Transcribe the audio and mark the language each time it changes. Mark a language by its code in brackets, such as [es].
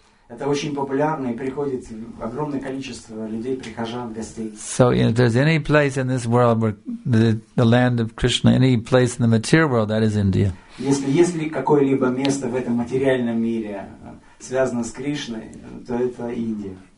[ru] Это очень популярно, и приходит огромное количество людей, прихожан, гостей. [en] So, you know, if there's any place in this world where the land of Krishna, any place in the material world, that is India. [ru] Если какое-либо место в этом материальном мире связано с Кришной, то это Индия.